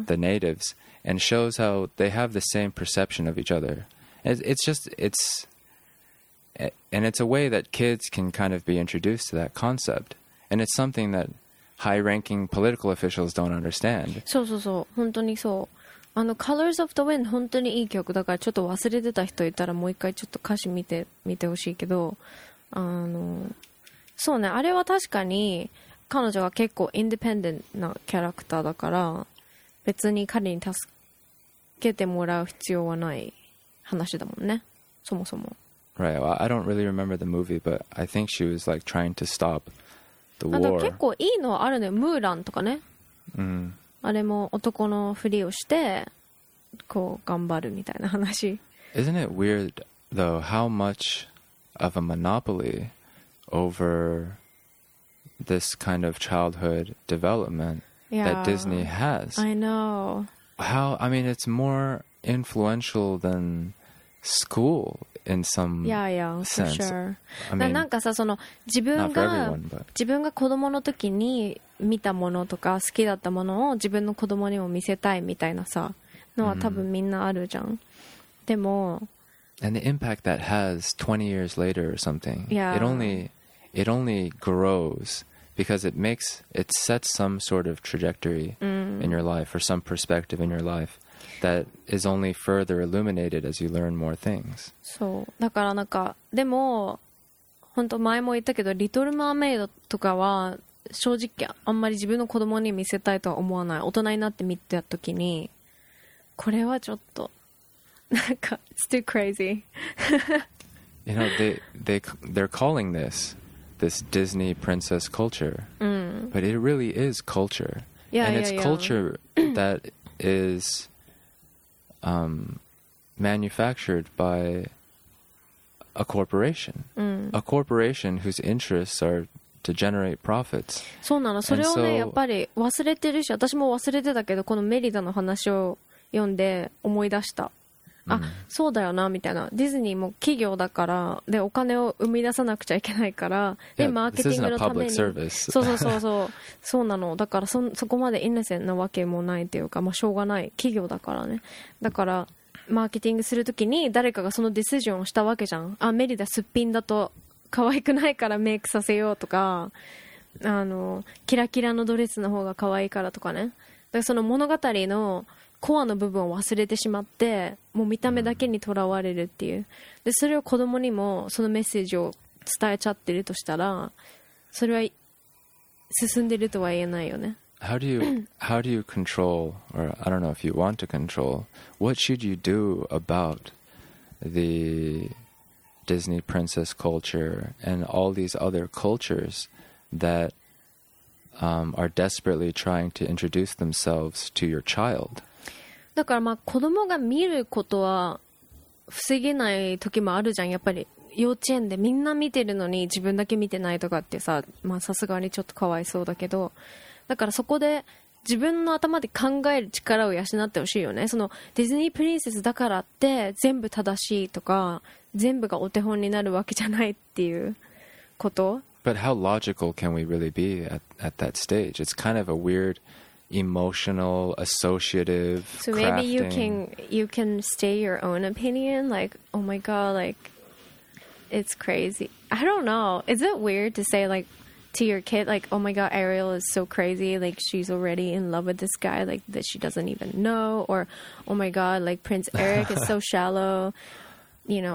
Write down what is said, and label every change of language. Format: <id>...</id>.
<en>the natives and shows how they have the same perception of each other. It's a way that kids can kind of be introduced to that concept. And it's something that high-ranking political officials don't understand. So, so, so.</en> <ja>本当にそう。あの Colors of the Wind 本当にいい曲だからちょっと忘れてた人いたらもう一回ちょっと歌詞見てほしいけど、あのそうね、あれは確かに彼女は結構インディペンデントなキャラクターだから別に彼に助けてもらう必要はない話だもんね、そもそも。</ja> <en>Right, well, I don't really remember the movie, but I think she was like trying to stop the war.</en> <ja>結構いいのはあるね、ムーランとかね。うん、あれも男のふりをしてこう頑張るみたいな話。</ja> <en>Isn't it weird though how much of a monopoly over this kind of childhood development yeah, that Disney has? I know. How, I mean, it's more influential than school in some yeah, yeah, sense. For sure. I mean,</en> <ja>なんかさ、その自分が、</ja> <en>not for everyone, but...</en> <ja>自分が子供の時に見たものとか好きだったものを自分の子供にも見せたいみたいなさのは多分みんなあるじゃん。でも、</ja> <en>and the impact that has 20 years later or something, yeah. it only grows because it sets some sort of trajectory in your life or some perspective in your life that is only further illuminated as you learn more things.</en> <ja>そう。だからなんかでも本当前も言ったけど、リトルマーメイドとかは正直あんまり自分の子供に見せたいとは思わない。大人になって見てた時にこれはちょっとなんか</ja> <en>it's too crazy. You know, they're calling this Disney princess culture. But it really is culture. Yeah, and it's culture that is manufactured by a corporation. A corporation whose interests are to generate profits.</en> <ja>そうなの。それをね、やっぱり忘れてるし、私も忘れてたけど、このメリダの話を読んで思い出した。あ、そうだよなみたいな。ディズニーも企業だから、でお金を生み出さなくちゃいけないから、でマーケティングのために、そうそうなの。だから そこまでイノセンなわけもないっていうか、まあ、しょうがない企業だからね。だからマーケティングするときに誰かがそのディシジョンをしたわけじゃん。あ、メリダすっぴんだと可愛くないからメイクさせようとか、あのキラキラのドレスの方が可愛いからとかね。だからその物語のコアの部分を忘れてしまって、もう見た目だけにとらわれるっていう。でそれを子供にもそのメッセージを伝えちゃってるとしたら、それは進んでるとは言えないよね。</ja> <en>How do you control, or I don't know if you want to control, what should you do about the Disney princess culture and all these other cultures that are desperately trying to introduce themselves to your child?</en> <ja>だからまあ子供が見ることは防げない時もあるじゃん。やっぱり幼稚園でみんな見てるのに自分だけ見てないとかってさ、まあさすがにちょっとかわいそうだけど、だからそこで自分の頭で考える力を養ってほしいよね。そのディズニープリンセスだからって全部正しいとか全部がお手本になるわけじゃないっていうこと。</ja> <en>But how logical can we really be at that stage? It's kind of a weirdemotional, associative, so maybe crafting. you can stay your own opinion, like, oh my god, like, it's crazy. I don't know, is it weird to say, like, to your kid, like, oh my god, Ariel is so crazy, like, she's already in love with this guy, like, that she doesn't even know, or, oh my god, like, Prince Eric is so shallow, you know.</en>